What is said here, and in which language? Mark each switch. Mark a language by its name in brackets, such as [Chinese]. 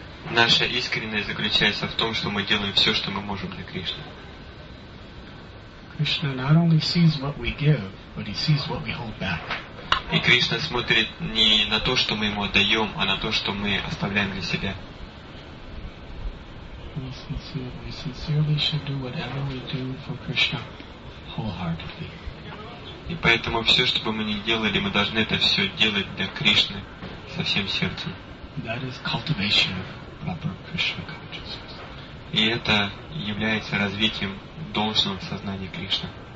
[Russian] Наша искренность заключается в том, что мы делаем все, что мы можем для Кришны. [English] Krishna not only sees what we give, but he sees what we hold back. [Russian] И Кришна смотрит не на то, что мы ему отдаем, а на то, что мы оставляем для себя. [English] We sincerely should do whatever we do for Krishna wholeheartedly. [Russian] И поэтому все, что бы мы ни делали, мы должны это все делать для Кришны со всем сердцем. [English] That is cultivation of proper Krishna consciousness. [Russian] И это является развитием должного сознания Кришны.